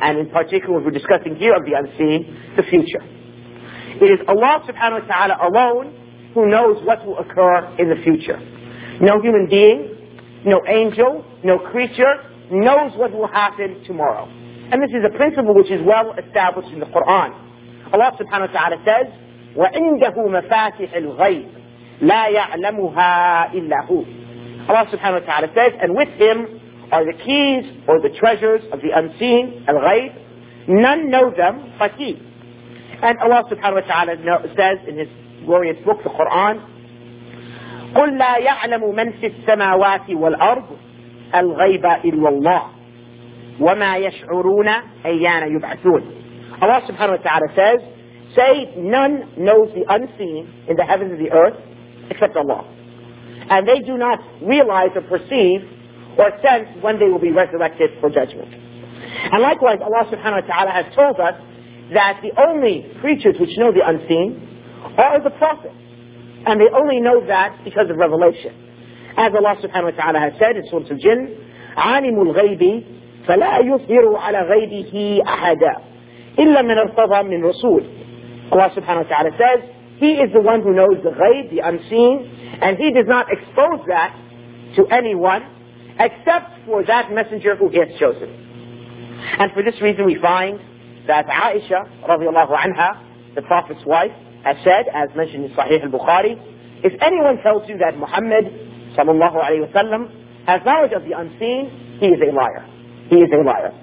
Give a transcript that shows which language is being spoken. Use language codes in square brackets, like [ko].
[en] And in particular, we're discussing here of the unseen, the future. It is Allah subhanahu wa ta'ala alone who knows what will occur in the future. No human being, no angel, no creature knows what will happen tomorrow. And this is a principle which is well established in the Quran. Allah subhanahu wa ta'ala says, [ar] وَعِنْدَهُ مَفَاتِحِ الْغَيْبِ لَا يَعْلَمُهَا إِلَّا هُوَ. [en] Allah subhanahu wa ta'ala says, and with him are the keys or the treasures of the unseen, al-ghayb. None know them but he. And Allah subhanahu wa ta'ala says in his glorious book, the Quran, [ar] قُلْ لَا يَعْلَمُ مَنْ فِي السَّمَاوَاتِ وَالْأَرْضِ الغيب إلا الله وما يشعرون أيان يبعثون. [en] Allah subhanahu wa ta'ala says, say none knows the unseen in the heavens and the earth except Allah. and they do not realize or perceive or sense when they will be resurrected for judgment. And likewise, Allah subhanahu wa ta'ala has told us that the only creatures which know the unseen are the prophets. And they only know that because of revelation. As Allah subhanahu wa ta'ala has said in Surah Al-Jinn, [ar] عَالِمُ الْغَيْبِ فَلَا يُظْهِرُ عَلَى غَيْبِهِ أَحَدًا إِلَّا مَنَ ارْتَضَى مِنْ رَسُولٍ. [en] Allah subhanahu wa ta'ala says, He is the one who knows the ghayb, the unseen, and He does not expose that to anyone except for that messenger who He has chosen. And for this reason we find that Aisha radiallahu anha, the Prophet's wife, has said, as mentioned in Sahih al-Bukhari, if anyone tells you that Muhammad sallallahu alayhi wa sallam has knowledge of the unseen, he is a liar. He is a liar.